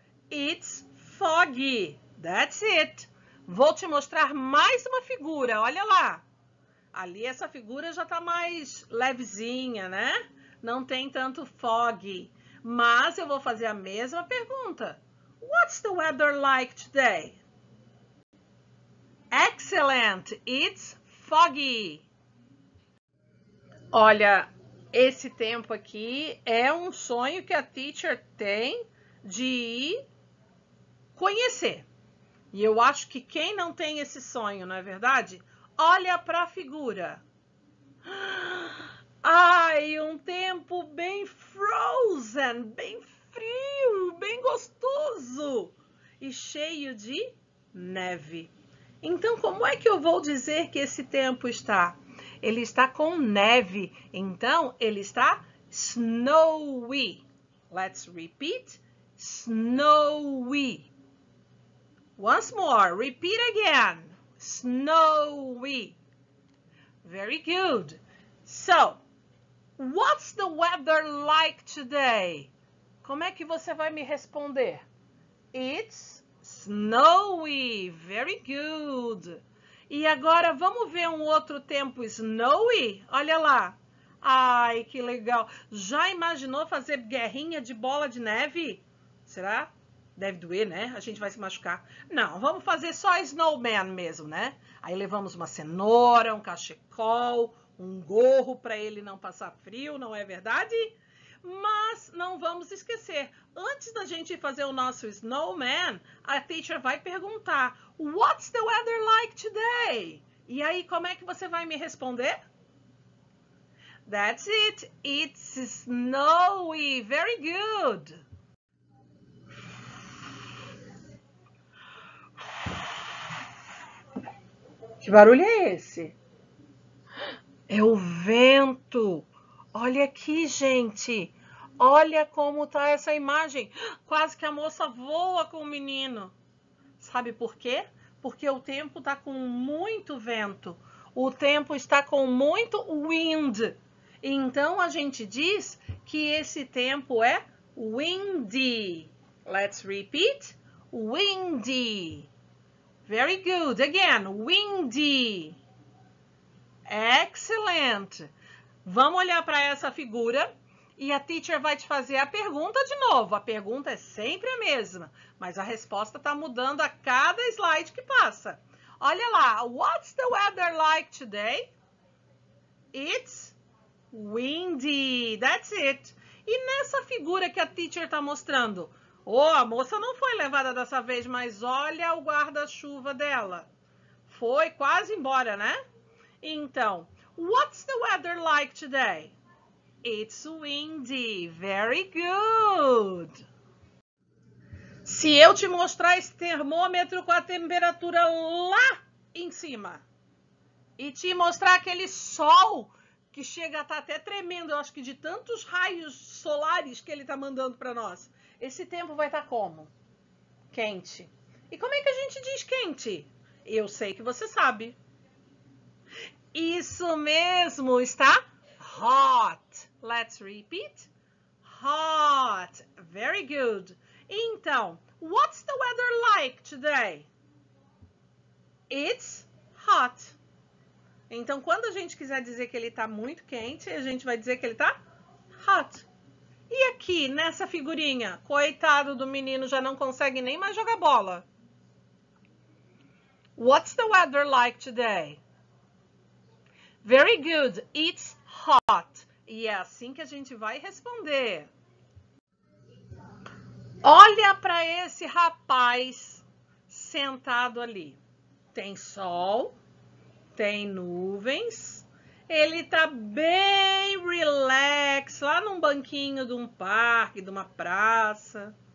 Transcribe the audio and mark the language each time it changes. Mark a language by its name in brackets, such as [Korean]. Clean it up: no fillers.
[English] It's foggy. That's it. [Portuguese] Vou te mostrar mais uma figura. Olha lá. Ali essa figura já está mais levezinha, né? Não tem tanto foggy. Mas eu vou fazer a mesma pergunta. [English] What's the weather like today? Excellent. It's foggy. [Portuguese] Olha, esse tempo aqui é um sonho que a teacher tem de conhecer. E eu acho que quem não tem esse sonho, não é verdade? Olha para a figura. Ai, um tempo bem frozen, bem frio, bem gostoso e cheio de neve. Então, como é que eu vou dizer que esse tempo está? Ele está com neve. Então, ele está snowy. [English] Let's repeat. [Portuguese] Snowy. [English] Once more, repeat again. Snowy. Very good. So, what's the weather like today? [Portuguese] Como é que você vai me responder? [English] It's snowy. Very good. [Portuguese] E agora vamos ver um outro tempo snowy? Olha lá. Ai, que legal. Já imaginou fazer guerrinha de bola de neve? Será? Deve doer, né? A gente vai se machucar. Não, vamos fazer só snowman mesmo, né? Aí levamos uma cenoura, um cachecol, um gorro para ele não passar frio, não é verdade? Mas não vamos esquecer, antes da gente fazer o nosso snowman, a teacher vai perguntar, [English] what's the weather like today? [Portuguese] E aí, como é que você vai me responder? [English] That's it, it's snowy, very good. [Portuguese] Que barulho é esse? É o vento. Olha aqui, gente. Olha como tá essa imagem. Quase que a moça voa com o menino. Sabe por quê? Porque o tempo tá com muito vento. O tempo está com muito wind. Então a gente diz que esse tempo é windy. [English] Let's repeat. Windy. Very good. Again, windy. Excellent. [Portuguese] Vamos olhar para essa figura e a teacher vai te fazer a pergunta de novo. A pergunta é sempre a mesma, mas a resposta está mudando a cada slide que passa. Olha lá. [English] What's the weather like today? It's windy. That's it. [Portuguese] E nessa figura que a teacher está mostrando... Oh, a moça não foi levada dessa vez, mas olha o guarda-chuva dela. Foi quase embora, né? [English] Então, what's the weather like today? It's windy. Very good. [Portuguese] Se eu te mostrar esse termômetro com a temperatura lá em cima e te mostrar aquele sol que chega a estar até tremendo, eu acho que de tantos raios solares que ele está mandando para nós. Esse tempo vai estar como? Quente. E como é que a gente diz quente? Eu sei que você sabe. Isso mesmo, está hot. [English] Let's repeat. Hot. Very good. Então, what's the weather like today? It's hot. [Portuguese] Então, quando a gente quiser dizer que ele está muito quente, a gente vai dizer que ele está hot. E aqui, nessa figurinha, coitado do menino, já não consegue nem mais jogar bola. [English] What's the weather like today? Very good, it's hot. [Portuguese] E é assim que a gente vai responder. Olha para esse rapaz sentado ali. Tem sol, tem nuvens. Ele está bem relax, lá num banquinho de um parque, de uma praça.